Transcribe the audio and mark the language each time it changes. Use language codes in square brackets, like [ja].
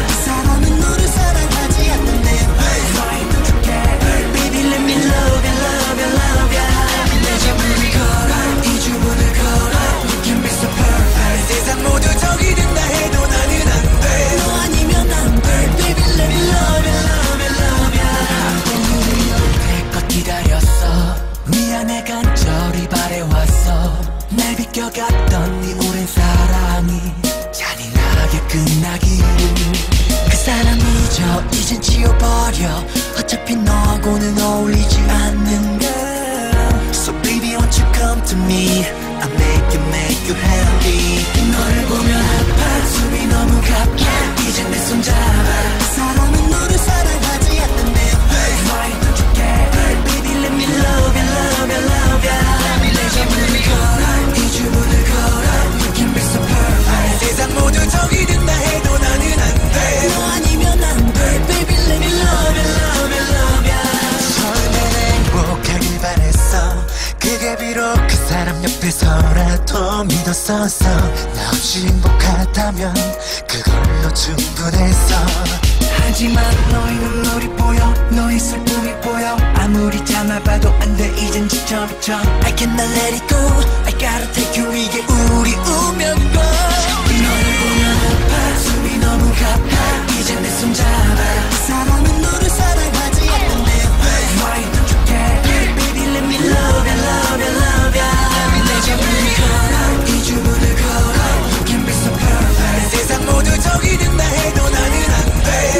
[ko] 사람은 너를 사랑하지 않는데. [en] Hey. Why don't you care? Hey. Baby, let me love you, love you, love you. Baby, let you make me go. [ko] 이 주문을 걸어. [en] Perfect. [ko] 세상 모두 적이 된다 해도 나는 안 돼. 너 아니면 안 돼. [en] Baby, let me love you, love you, love you. [ko] 내껏 기다렸어. 미안해 간절히 바래왔어. 날 비껴갔던 네 오랜 사랑이 잔인하게 끝나길. 그 사람 잊어 이젠 지워버려. 어차피 너하고는 어울리지 않는 girl. [en] So baby, won't you come to me? I make you, make you happy. [ko] 너를 보면 아파. 숨이 너무 가파. 이제 내 손 잡아. 사람은 너를 사랑하지 않는데. [en] Hey. Why don't you care? Hey. Baby, let me love you, love you, love you. Let me let you, let me go. [ko] 이 주문을 걸어. [en] You can be so perfect. [ko] 세상 모두 정이 든다 해도 나는 안 돼. 너 아니면 안 돼. [en] Baby, let me love you, love you, love you. [ko] 처음엔 행복하길 바랬어. 그게 비록 사람 옆에서라도 믿었었어. 나 없이 행복하다면 그걸로 충분했어. 하지만 너의 눈물이 보여. 너의 슬픔이 보여. 아무리 참아봐도 안 돼. 이젠 지쳐버쳐. [en] I cannot let it go. I gotta take you. [ko] 이게 우리 운명걸. 너를 보면 아파. 숨이 너무 가파. 이제 내 손 잡아. 사람은 너를 사랑하지 않는데. [en] Hey. Why don't you care? Hey. Baby, let me love you, love you, love you. [ko] 이 주문을 걸어. [en] You can be so perfect. [ko] 세상 모두 적이 된다 해도 나는 안 돼.